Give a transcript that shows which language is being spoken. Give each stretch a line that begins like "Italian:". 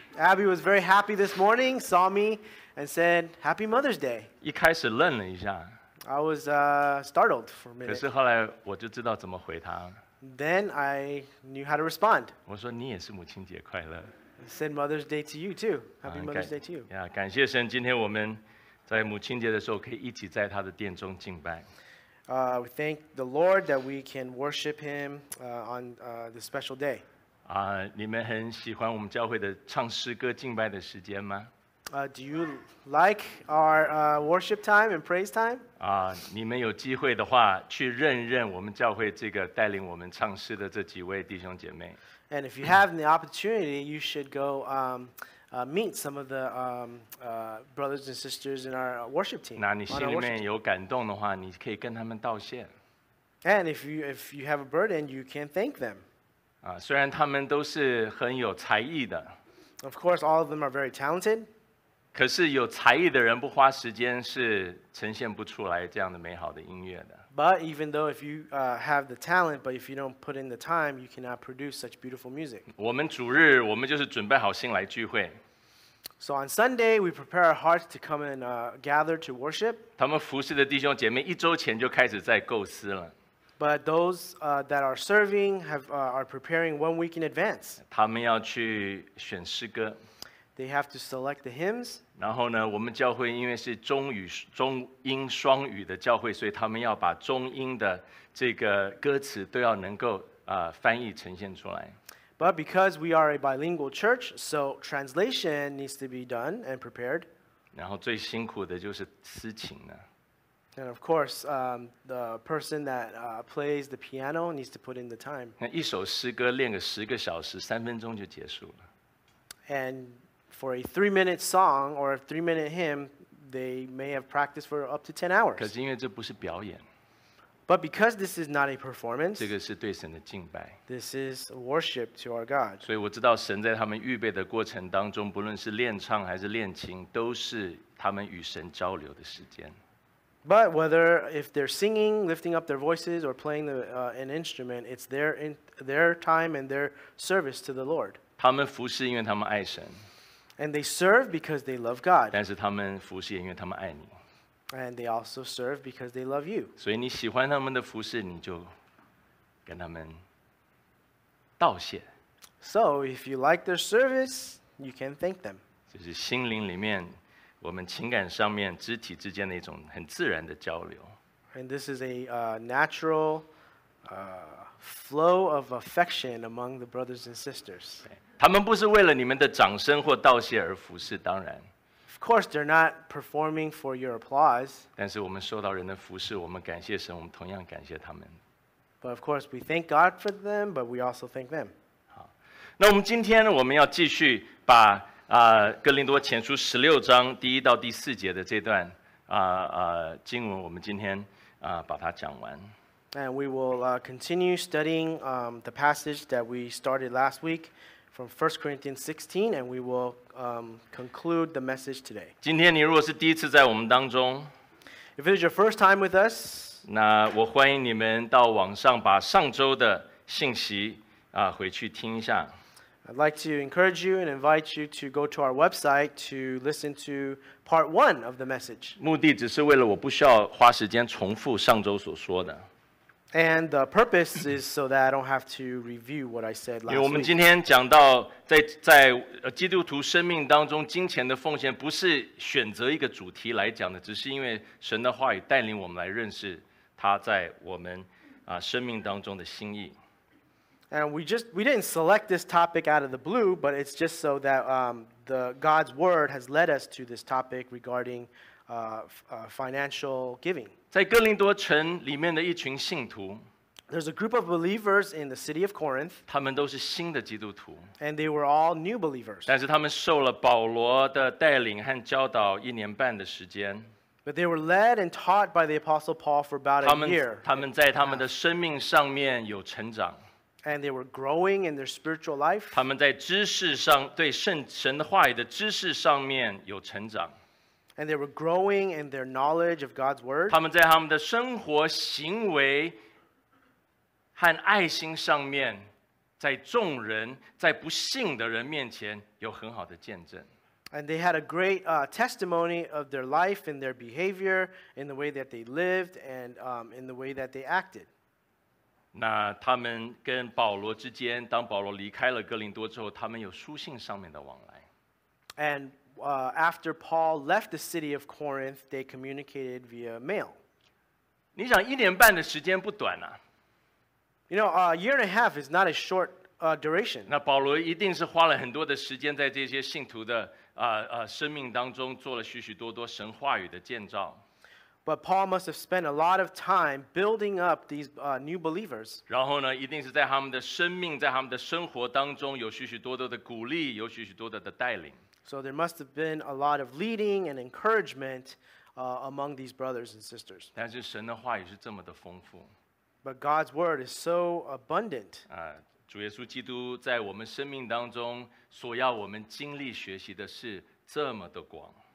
English: Abby was very happy this morning, saw me and said Happy Mother's Day.
Chinese: 一开始愣了一下。
English: I was startled for a minute.
Chinese: 可是后来我就知道怎么回他。
English: Then I knew how to respond.
Chinese: 我说你也是母亲节快乐。
English: Send Mother's Day to you too. Happy Mother's Day to you.
Chinese: 感谢神，今天我们在母亲节的时候可以一起在他的殿中敬拜。
English: We thank the Lord that we can worship Him on this special day.
Chinese: 你们很喜欢我们教会的唱诗歌敬拜的时间吗？
English: Do you like our worship time and praise time?
Chinese: 你们有机会的话，去认认我们教会这个带领我们唱诗的这几位弟兄姐妹。
English: And if you have the opportunity, you should go meet some of the brothers and sisters in our worship team.
Chinese: 那你心里面有感动的话，你可以跟他们道谢。
English: And if you have a burden, you can thank them.
Chinese: 虽然他们都是很有才艺的。
English: Of course, all of them are very talented.
Chinese: 可是有才艺的人不花时间是呈现不出来这样的美好的音乐的。
English: But even though if you have the talent, but if you don't put in the time, you cannot produce such beautiful music.
Chinese: 我们主日我们就是准备好心来聚会。
English: So on Sunday we prepare our hearts to come and gather to worship.
Chinese: 他们服侍的弟兄姐妹一周前就开始在构思了。
English: But those that are serving are preparing 1 week in advance.
Chinese: 他们要去选诗歌。
English: They have to select the hymns.
Chinese: 然后呢，我们教会因为是中英双语的教会，所以他们要把中英的这个歌词都要能够翻译呈现出来。
English: But because we are a bilingual church, so translation needs to be done and prepared.
Chinese: 然后最辛苦的就是司琴了。
English: And of course, the person that plays the piano needs to put in the time.
Chinese: 那一首诗歌练个十个小时，三分钟就结束了。
English: And for a 3-minute song or a 3-minute hymn, they may have practiced for up to 10 hours.
Chinese: 可是因为这不是表演。
English: But because this is not a performance,
Chinese: 这个是对神的敬拜。
English: This is worship to our God.
Chinese: 所以我知道神在他们预备的过程当中，不论是练唱还是练琴，都是他们与神交流的时间。
English: But whether if they're singing, lifting up their voices, or playing an instrument, it's their time and their service to the Lord.
Chinese: 他们服侍因为他们爱神。
English: And they serve because they love God.
Chinese: 但是他们服侍因为他们爱你。
English: And they also serve because they love you.
Chinese: 所以你喜欢他们的服侍，你就跟他们道谢。
English: So if you like their service, you can thank them.
Chinese: 就是心灵里面，我们情感上面，肢体之间的一种很自然的交流。
English: And this is a natural flow of affection among the brothers and sisters.
Chinese: 他们不是为了你们的掌声或道谢而服侍，当然。
English: Of course, they're not performing for your applause.
Chinese: 但是我们受到人的服侍，我们感谢神，我们同样感谢他们。
English: But of course, we thank God for them, but we also thank them.
Chinese: 好，那我们今天呢，我们要继续把哥林多前书十六章第一到第四节的这段经文，我们今天把它讲完。
English: And we will continue studying the passage that we started last week from 1 Corinthians 16, and we will conclude the message today.
Chinese: 今天你如果是第一次在我们当中，
English: if it is your first time with us,
Chinese: 那我欢迎你们到网上把上周的信息回去听一下。
English: I'd like to encourage you and invite you to go to our website to listen to part one of the message.
Chinese: 目的只是为了我不需要花时间重复上周所说的。
English: And the purpose is so that I don't have to review what I said last week.
Chinese: 我们今天讲到在基督徒生命当中金钱的奉献不是选择一个主题来讲的，只是因为神的话语带领我们来认识他在我们生命当中的心意。
English: And we didn't select this topic out of the blue, but it's just so that the God's word has led us to this topic regarding financial giving.
Chinese: 在哥林多城里面的一群信徒，
English: There's a group of believers in the city of Corinth.
Chinese: 他们都是新的基督徒，
English: And they were all new believers.
Chinese: 但是他们受了保罗的带领和教导一年半的时间，
English: But they were led and taught by the Apostle Paul for about a year.
Chinese: 他们在他们的生命上面有成长，
English: And they were growing in their spiritual life.
Chinese: 他们在知识上对圣神的话语的知识上面有成长。
English: And they were growing in their knowledge of God's word.
Chinese: 他们在他们的生活行为和爱心上面，在众人在不信的人面前有很好的见证。
English: And they had a great testimony of their life and their behavior in the way that they lived and in the way that they acted.
Chinese: 那他们跟保罗之间，当保罗离开了哥林多之后，他们有书信上面的往来。
English: And after Paul left the city of Corinth, they communicated via mail.
Chinese: 你想一年半的时间不短啊。
English: You know, a year and a half is not a short duration.
Chinese: 那保罗一定是花了很多的时间在这些信徒的生命当中做了许许多多神话语的建造。
English: But Paul must have spent a lot of time building up these new believers.
Chinese: 然后呢，一定是在他们的生命，在他们的生活当中有许许多多的鼓励，有许许多多的带领。
English: So there must have been a lot of leading and encouragement among these brothers and sisters.
Chinese: 但是神的话语是这么的丰富。
English: But God's word is so abundant.
Chinese: 主耶稣基督在我们生命当中所要我们经历学习的是这么的广。